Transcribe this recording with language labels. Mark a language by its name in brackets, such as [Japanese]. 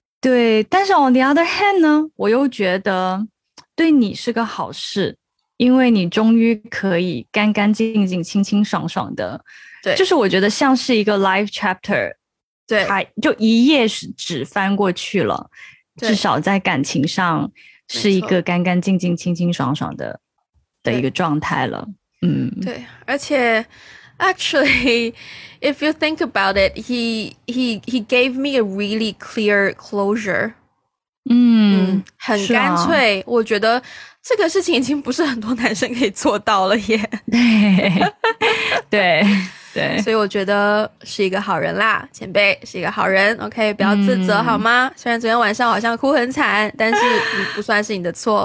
[Chinese] 对，但是 [English] on the other hand [Chinese] 呢，我又觉得。对你是个好事，因为你终于可以干干净净、清清爽爽的。对，就是我觉得像是一个 [English] life chapter， [Chinese] 对，就一页纸翻过去了，至少在感情上是一个干干净净、清清爽爽的一个状态了。嗯，对，而且 [English] actually if you think about it， he gave me a really clear closure。嗯， [Chinese] 很干脆、啊、我觉得这个事情已经不是很多男生可以做到了耶。对对对，所以我觉得是一个好人啦，前辈是一个好人， OK， 不要自责、嗯、好吗？虽然昨天晚上好像哭很惨，但是不算是你的错。